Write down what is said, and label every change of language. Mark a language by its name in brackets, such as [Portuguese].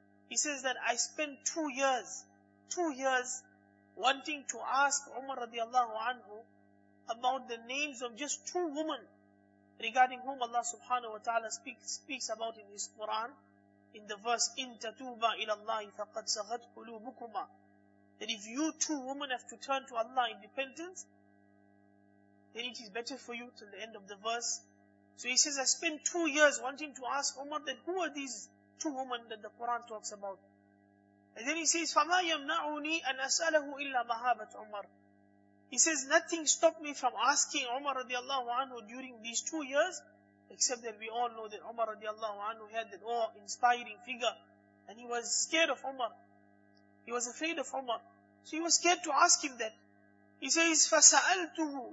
[English] He says that I spent two years wanting to ask Umar رضي الله عنه about the names of just two women regarding whom Allah subhanahu wa ta'ala speaks about in His Quran in the verse, [Arabic] إِن تَتُوبَ إِلَى اللَّهِ فَقَدْ سَغَتْ قُلُوبُكُمَا, [English] that if you two women have to turn to Allah in repentance, then it is better for you, till the end of the verse. So he says, I spent 2 years wanting to ask Umar that who are these two women that the Quran talks about. And then he says, [Arabic] فَمَا يَمْنَعُنِي أَنْ أَسْأَلَهُ إِلَّا مَهَابَةْ عُمَرْ. [English] He says, nothing stopped me from asking Umar radiallahu anhu during these 2 years, except that we all know that Umar radiallahu anhu had that awe-inspiring figure. And he was scared of Umar. He was afraid of Umar. So he was scared to ask him that. He says, [Arabic] فَسَأَلْتُهُ.